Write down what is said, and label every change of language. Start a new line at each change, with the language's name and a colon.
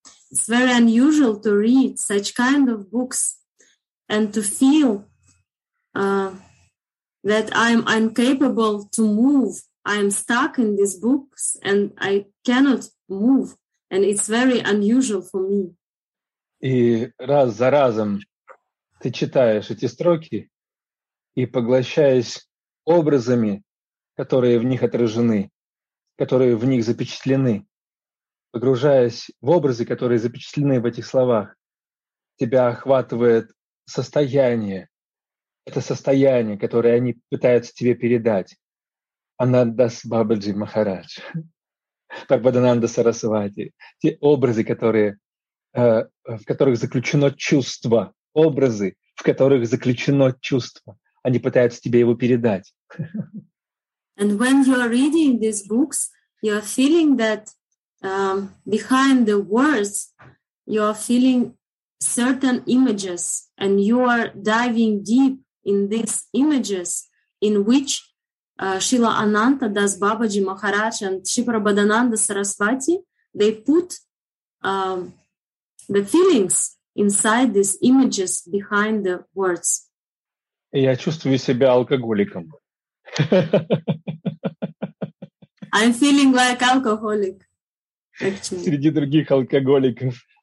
English: It's very unusual to read such kind of books and to feel that I'm incapable to move. I'm stuck in these books and I cannot move. And it's very unusual for me.
Russian: И раз за разом ты читаешь эти строки и поглощаясь образами, которые в них отражены, которые в них запечатлены, погружаясь в образы, которые запечатлены в этих словах, тебя охватывает состояние. Это состояние, которое они пытаются тебе передать. Анандас Бабаджи Махарадж. Прабхадананда Сарасвати. Те образы, которые, в которых заключено чувство. Образы, в которых заключено чувство. Они пытаются тебе его передать.
English: And when you are reading these books, you are feeling that behind the words, you are feeling certain images, and you are diving deep in these images in which Srila Ananta Das Babaji Maharaj and Sri Prabhadananda Sarasvati, they put the feelings inside these images behind the words.
Russian: Я чувствую себя алкоголиком.
English: I'm feeling like alcoholic. Actually.
Russian: Среди других алкоголиков.